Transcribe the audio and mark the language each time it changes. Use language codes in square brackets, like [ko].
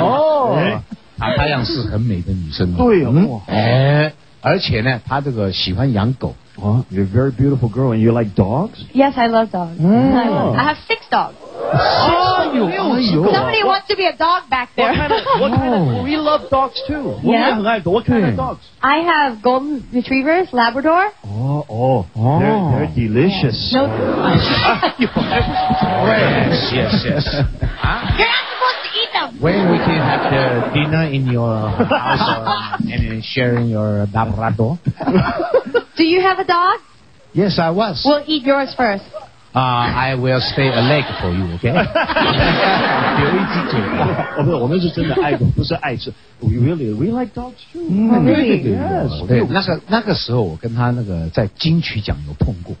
[zh] 哦，啊，她样是很美的女生哦。对哦。哎，而且呢，她这个喜欢养狗。 [en] Oh, you're a very beautiful girl, and you like dogs? Yes, I love dogs. Oh. I have six dogs. Somebody wants to be a dog back there. What kind of, we love dogs too. What kind of dogs? I have golden retrievers, Labrador. Oh. They're delicious. No. yes. You're not supposed to eat them. When we can have the dinner in your house and sharing your Labrador. Do you have a dog? Yes, I was. We'll eat yours first. I will stay a leg for you, okay? [zh] 留一只腿。哦，不，我们是真的爱狗，不是爱吃。 [en] We like dogs too. Really? Yes. [zh] 对，那个时候我跟他那个在金曲奖有碰过